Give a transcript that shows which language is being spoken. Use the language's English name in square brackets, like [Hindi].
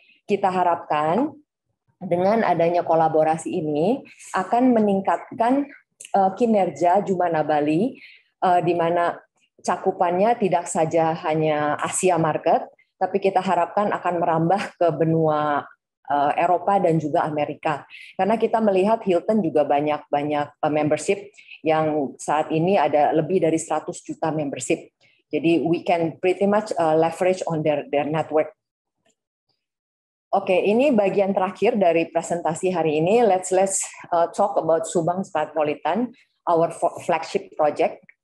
[Indonesian] Kita harapkan dengan adanya kolaborasi ini akan meningkatkan kinerja Jumana Bali, di mana cakupannya tidak saja hanya Asia market, tapi kita harapkan akan merambah ke benua Eropa dan juga Amerika. Karena kita melihat Hilton juga banyak-banyak membership yang saat ini ada lebih dari 100 juta membership. [English] Jadi we can pretty much leverage on their network. [Indonesian] Oke, ini bagian terakhir dari presentasi hari ini. [English] Let's talk about Subang Metropolitan, our flagship project.